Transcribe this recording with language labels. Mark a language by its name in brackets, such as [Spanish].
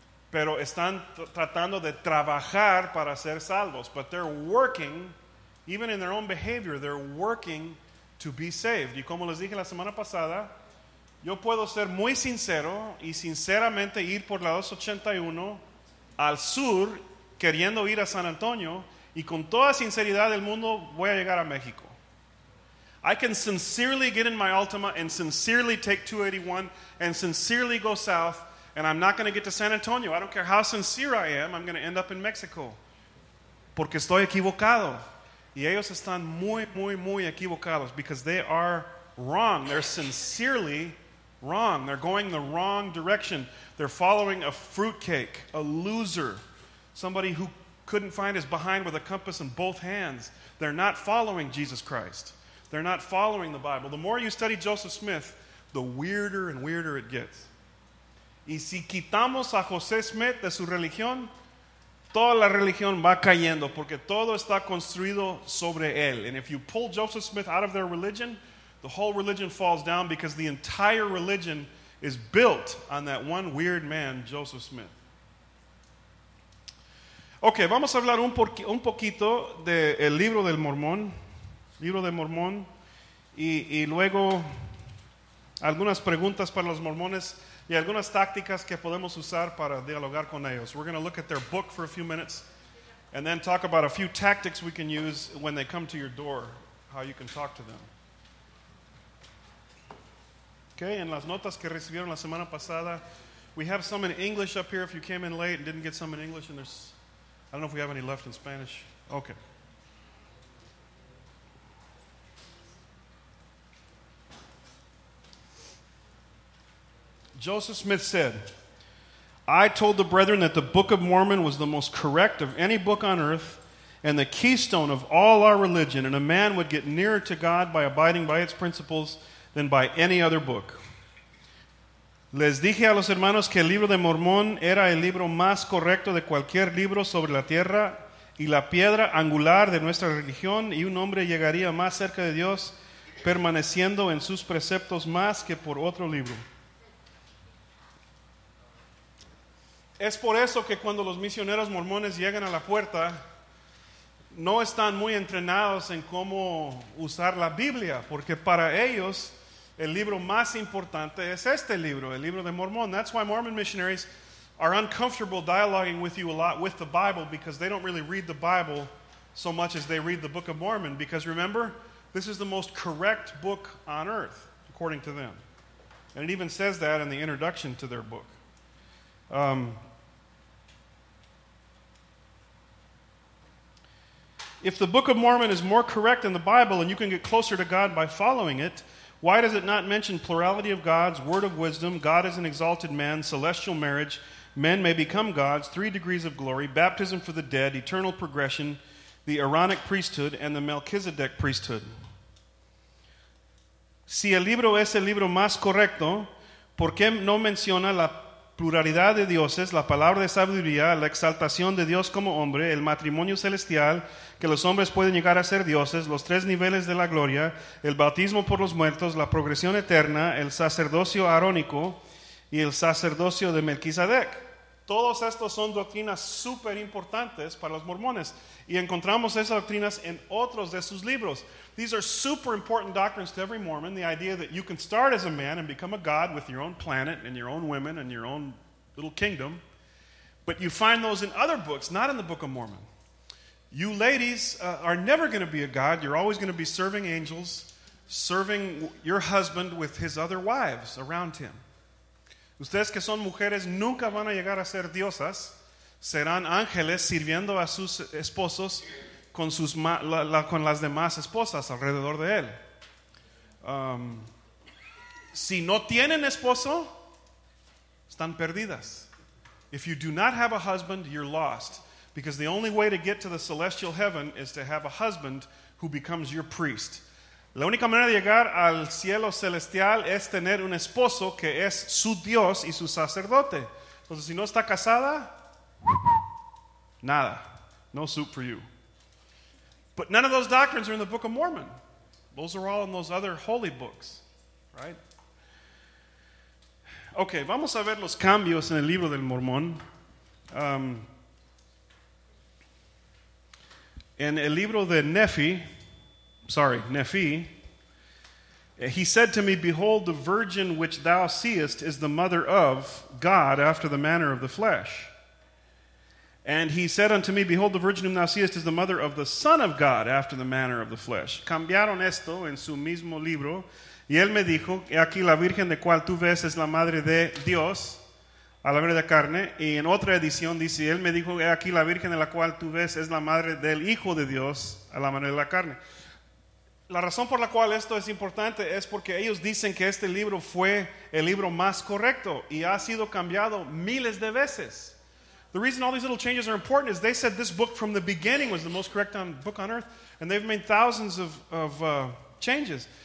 [Spanish] Pero están tratando de trabajar para ser salvos. [English] But they're working, even in their own behavior, they're working to be saved. [Spanish] Y como les dije la semana pasada, yo puedo ser muy sincero y sinceramente ir por la 281 al sur queriendo ir a San Antonio. Y con toda sinceridad del mundo, voy a llegar a México. [English] I can sincerely get in my Altima and sincerely take 281 and sincerely go south, and I'm not going to get to San Antonio. I don't care how sincere I am, I'm going to end up in Mexico. [Spanish] Porque estoy equivocado. Y ellos están muy, muy, muy equivocados [English] because they are wrong. They're sincerely wrong. They're going the wrong direction. They're following a fruitcake, a loser, somebody who couldn't find his behind with a compass in both hands. They're not following Jesus Christ. They're not following the Bible. The more you study Joseph Smith, the weirder and weirder it gets. [Spanish] Y si quitamos a José Smith de su religión, toda la religión va cayendo porque todo está construido sobre él. [English] And if you pull Joseph Smith out of their religion, the whole religion falls down because the entire religion is built on that one weird man, Joseph Smith. [Spanish] Ok, vamos a hablar un poquito del libro del Mormón. Libro del Mormón. Y luego algunas preguntas para los mormones y algunas tácticas que podemos usar para dialogar con ellos. [English] We're going to look at their book for a few minutes and then talk about a few tactics we can use when they come to your door, how you can talk to them. [Spanish] Ok, en las notas que recibieron la semana pasada, [English] we have some in English up here if you came in late and didn't get some in English, and there's, I don't know if we have any left in Spanish. Okay. Joseph Smith said, I told the brethren that the Book of Mormon was the most correct of any book on earth and the keystone of all our religion, and a man would get nearer to God by abiding by its principles than by any other book. [Spanish] Les dije a los hermanos que el Libro de Mormón era el libro más correcto de cualquier libro sobre la tierra y la piedra angular de nuestra religión, y un hombre llegaría más cerca de Dios permaneciendo en sus preceptos más que por otro libro. Es por eso que cuando los misioneros mormones llegan a la puerta, no están muy entrenados en cómo usar la Biblia, porque para ellos el libro más importante es este libro, el Libro de Mormón. [English] That's why Mormon missionaries are uncomfortable dialoguing with you a lot with the Bible, because they don't really read the Bible so much as they read the Book of Mormon, because remember, this is the most correct book on earth, according to them. And it even says that in the introduction to their book. If the Book of Mormon is more correct than the Bible and you can get closer to God by following it, why does it not mention plurality of gods, word of wisdom, God is an exalted man, celestial marriage, men may become gods, 3 degrees of glory, baptism for the dead, eternal progression, the Aaronic priesthood, and the Melchizedek priesthood? [Spanish] Si el libro es el libro más correcto, ¿por qué no menciona la pluralidad de dioses, la palabra de sabiduría, la exaltación de Dios como hombre, el matrimonio celestial, que los hombres pueden llegar a ser dioses, los 3 niveles de la gloria, el bautismo por los muertos, la progresión eterna, el sacerdocio arónico y el sacerdocio de Melquisedec? Todos estos son doctrinas súper importantes para los mormones, y encontramos esas doctrinas en otros de sus libros. [English] These are super important doctrines to every Mormon, the idea that you can start as a man and become a god with your own planet and your own women and your own little kingdom. But you find those in other books, not in the Book of Mormon. You ladies are never going to be a god. You're always going to be serving angels, serving your husband with his other wives around him. [Spanish] Ustedes que son mujeres nunca van a llegar a ser diosas. Serán ángeles sirviendo a sus esposos con las demás esposas alrededor de él. Si no tienen esposo, están perdidas. [English] If you do not have a husband, you're lost. Because the only way to get to the celestial heaven is to have a husband who becomes your priest. [Spanish] La única manera de llegar al cielo celestial es tener un esposo que es su Dios y su sacerdote. Entonces, si no está casada, nada. [English] No soup for you. But none of those doctrines are in the Book of Mormon. Those are all in those other holy books, right? [Spanish] Okay, vamos a ver los cambios en el Libro del Mormón. En el Libro de Nefi, [English] he said to me, "Behold, the virgin which thou seest is the mother of God after the manner of the flesh." And he said unto me, "Behold, the virgin whom thou seest is the mother of the Son of God after the manner of the flesh." [Spanish] Cambiaron esto en su mismo libro. Y él me dijo, "He aquí la virgen de cual tú ves es la madre de Dios, a la manera de carne." Y en otra edición dice, "Él me dijo, he aquí la virgen de la cual tú ves es la madre del Hijo de Dios, a la manera de la carne." La razón por la cual esto es importante es porque ellos dicen que este libro fue el libro más correcto y ha sido cambiado miles de veces. [English] The reason all these little changes are important is they said this book from the beginning was the most correct book on earth, and they've made thousands of changes.